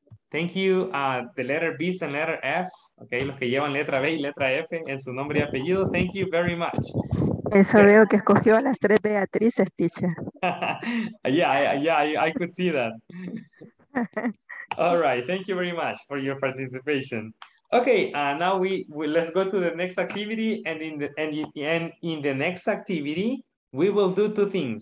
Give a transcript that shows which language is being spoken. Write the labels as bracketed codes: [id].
[en] Thank you, the letter B's and letter F's. [es] Okay, los que llevan letra B y letra F en su nombre y apellido. [en] Thank you very much. [es] Eso veo que escogió a las tres Beatrices, teacher. [en] Yeah, I could see that. All right, thank you very much for your participation. Okay, now we let's go to the next activity. And in the next activity, we will do two things.